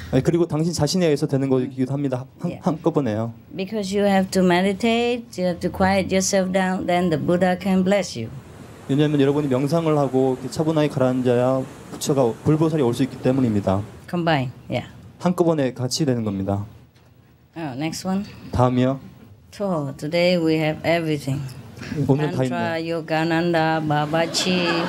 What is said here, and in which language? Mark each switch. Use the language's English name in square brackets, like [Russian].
[Korean] 예, 그리고 당신 자신에 의해서 되는 거기도 합니다. 한꺼번에요. [English] Because you have to meditate, you have to quiet yourself down, then the Buddha can bless you. [Korean] 왜냐하면 여러분이 명상을 하고 차분하게 가라앉아야 부처가 불보살이 올 수 있기 때문입니다. [English] Combined, yeah. [Korean] 한꺼번에 같이 되는 겁니다. [English] Oh, next one. [Korean] 다음이요. [English] So today we have everything. [Korean] 오늘 다 있네요. Tantra, Yogananda, Babaji.